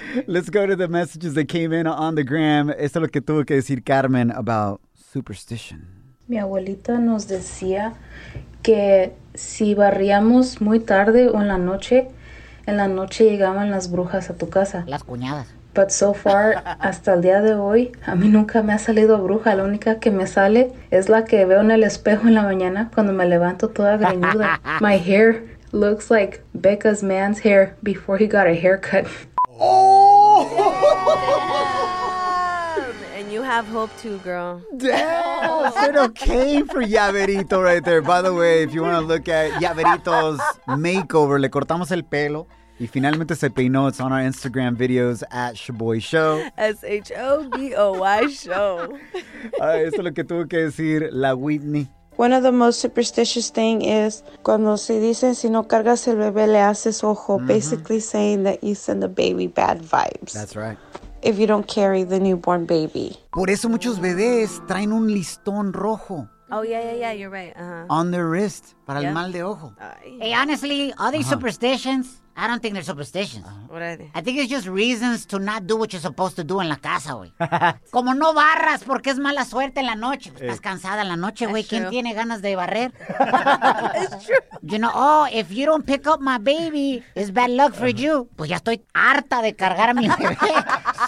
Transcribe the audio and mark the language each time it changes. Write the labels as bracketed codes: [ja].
[en] Let's go to the messages that came in on the gram. [es] Esto es lo que tuvo que decir Carmen [en] about superstition. [es] Mi abuelita nos decía que si barríamos muy tarde o en la noche llegaban las brujas a tu casa. Las cuñadas. [en] But so far, [es] hasta el día de hoy, a mí nunca me ha salido bruja. La única que me sale es la que veo en el espejo en la mañana cuando me levanto toda greñuda. [en] My hair looks like Becca's man's hair before he got a haircut. Have hope too, girl. Damn, said okay for Yaverito right there. By the way, if you want to look at Yaverito's makeover, [es] le cortamos el pelo y finalmente se peinó. [en] It's on our Instagram videos at Shaboy Show. Shaboy Show. All right, [es] eso es lo que tuvo que decir la Whitney. [en] One of the most superstitious thing is [es] cuando se dicen si no cargas el bebé le haces ojo, mm-hmm. [en] Basically saying that you send the baby bad vibes. That's right. If you don't carry the newborn baby. [es] Por eso muchos bebés traen un listón rojo. [en] Oh, yeah, you're right. Uh-huh. On their wrist, [es] para el mal de ojo. [en] Hey, honestly, all these superstitions, I don't think they're superstitions. What are they? I think it's just reasons to not do what you're supposed to do [es] en la casa, güey. Como no barras porque es mala suerte en la noche. Hey. Estás cansada en la noche, güey. ¿Quién tiene ganas de barrer? [en] It's true. You know, oh, if you don't pick up my baby, it's bad luck for you. [es] Pues ya estoy harta de cargar a mi bebé.